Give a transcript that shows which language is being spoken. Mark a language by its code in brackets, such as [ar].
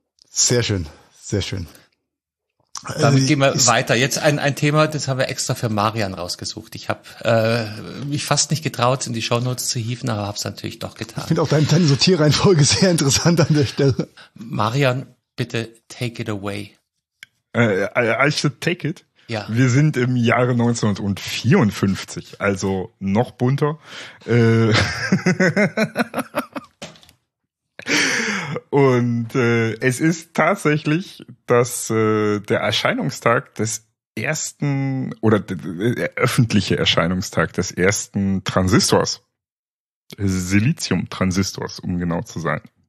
[de] Sehr schön, sehr schön. Damit gehen wir weiter. Jetzt ein Thema, das haben wir extra für Marian rausgesucht. Ich habe mich fast nicht getraut, in die Shownotes zu hieven, aber habe es natürlich doch getan. Ich finde auch deine Sortierreihenfolge sehr interessant an der Stelle. Marian, bitte [en] take it away. I should take it? [de] Ja. Wir sind im Jahre 1954, also noch bunter. Und es ist tatsächlich der Erscheinungstag des ersten oder der öffentliche Erscheinungstag des ersten Transistors, Siliziumtransistors, um genau zu sein.